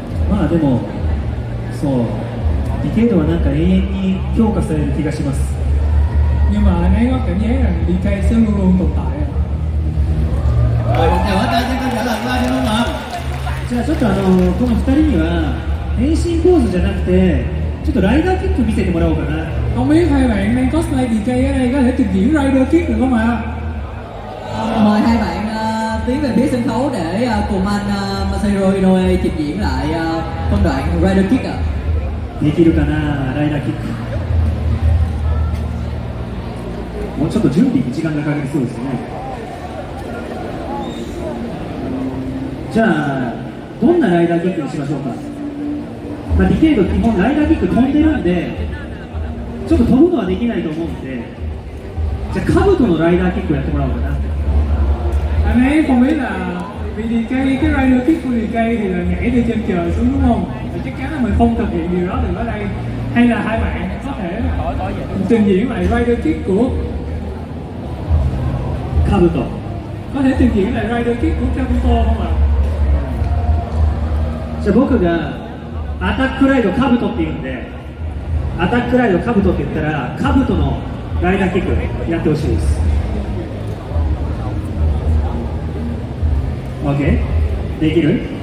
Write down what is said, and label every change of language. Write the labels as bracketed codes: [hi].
[vi] Mà, nhưng mà, [ja] so, Decade là 何か永遠に強化される気がします. [vi] nhưng mà anh ấy có cảm giác rằng DK sẽ luôn luôn tồn tại. [ja] じゃあちょっとこの2人には変身ポーズじゃなくてちょっとライダーキック見せてもらおうかな。ごめんはい、 [vi] bạn đang cosplay DK ở đây có thể trình diễn rider kick được không ạ? Mời hai bạn tiến về phía sân khấu để cùng anh Masahiro Inoue trình diễn lại phân đoạn rider kick ạ. [ja] できるかな、ライダーキック。もうちょっと準備に時間がかかりそうですね。じゃあどんなライダーキックにしましょうか。まあ、ディケイド基本ライダーキック飛んでるんでちょっと飛ぶのはできないと思うんで、じゃあ兜のライダーキックをやってもらおうかな。あれごめんな、ディケイドライダーキックディケイドは [vi] nhảy từ trên trời xuống đúng không? Chắc chắn là mình không thực hiện điều đó được ở đây. Hay là hai bạn có thể trình diễn lại rider kick của Kabuto. Có thể trình diễn lại rider kick của Kabuto không ạ? [ja] じゃあ僕がアタックライドカブトって言うんで、アタックライドカブトって言ったらカブトのライダーキックやってほしいです。 OK? できる?